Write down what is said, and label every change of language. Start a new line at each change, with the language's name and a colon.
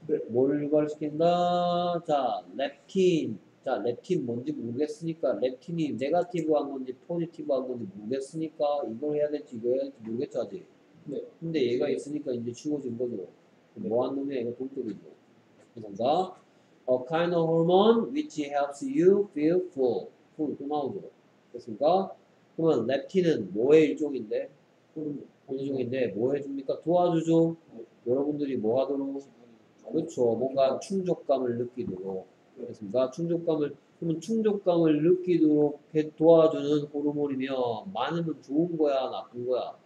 Korean: 뭘 유발시킨다? 자, 렙틴. 자, 렙틴 뭔지 모르겠으니까, 렙틴이 네가티브한 건지 포지티브한 건지 모르겠으니까 이걸 해야 될지 이걸 해야 될지 모르겠죠, 아직. 네. 근데 얘가 있으니까 이제 치워진 거죠. 네. 뭐한 놈이야, 이거 동적이죠. 그런가?
English: A kind of hormone which helps you feel full.
Korean: full 또 나오죠. 됐습니까? 그러면 렙틴은 뭐의 일종인데? 일종인데 뭐 해줍니까? 도와주죠. 네. 여러분들이 뭐 하도록? 그렇죠. 뭔가 충족감을 느끼도록. 그렇습니다. 충족감을 느끼도록 도와주는 호르몬이며 많으면 좋은 거야, 나쁜 거야?